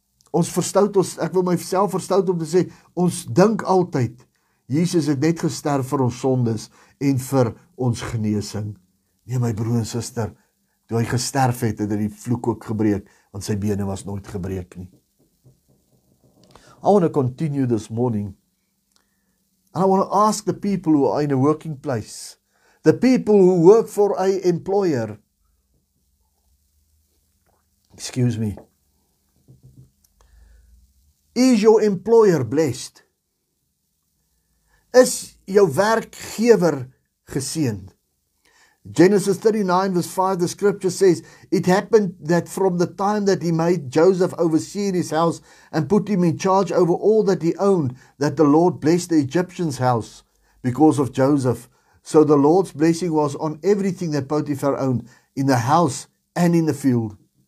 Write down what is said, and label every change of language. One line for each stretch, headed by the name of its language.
Afrikaans: Ons verstout ons, ek wil myself verstout om te sê, ons dink altyd Jesus het net gesterf vir ons sondes en vir ons genesing. Nee my broer en suster, toe hy gesterf het, het hy die vloek ook gebreek, want sy bene was nooit gebreek nie.
English: I want to continue this morning. And I want to ask the people who are in a working place, the people who work for a employer. Excuse me. Is your employer blessed?
Afrikaans: Is jou werkgewer geseënd?
English: Genesis 39 verse 5, the scripture says, it happened that from the time that he made Joseph oversee in his house and put him in charge over all that he owned, that the Lord blessed the Egyptian's house because of Joseph. So the Lord's blessing was on everything that Potiphar owned, in the house and in the field.